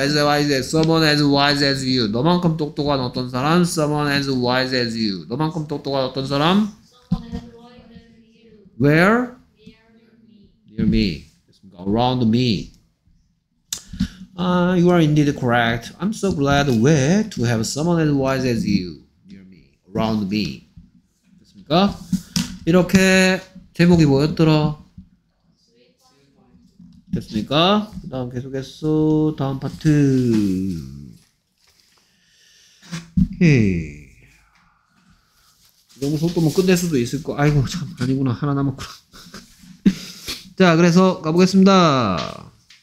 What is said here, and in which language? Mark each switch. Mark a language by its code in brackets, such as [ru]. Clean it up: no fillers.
[en] As wise as someone as wise as you. [ko] 너만큼 똑똑한 어떤 사람? [en] Someone as wise as you. [ko] 너만큼 똑똑한 어떤 사람? [en] Where? Near me. Near me. Around me. You are indeed correct. I'm so glad where to have someone as wise as you. Near me. Around me. [ko] 됐습니까? 이렇게 제목이 뭐였더라? 됐습니까? 그 다음 계속했어. 다음 파트. 오케이. 너무 속도면 끝낼 수도 있을 거. 아이고 참 아니구나. 하나 남았구나. 자 그래서 가보겠습니다.